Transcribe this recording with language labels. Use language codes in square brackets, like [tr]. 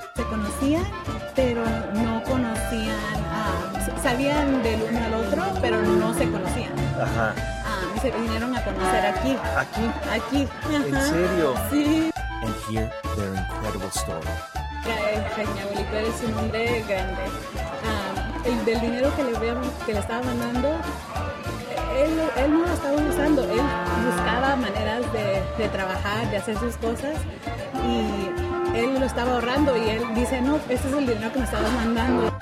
[es] Se conocían, pero no conocían, sabían del uno al otro, pero no se conocían. Ajá. Se vinieron a conocer aquí. ¿Aquí? Aquí. Ajá. ¿En serio? Sí. [en] And hear their incredible story. [es] Abuelita es un hombre grande. El del dinero que le estaba mandando, él no lo estaba usando. Él buscaba maneras de trabajar, de hacer sus cosas. Y él lo estaba ahorrando. Y él dice, no, este es el dinero que me estabas mandando.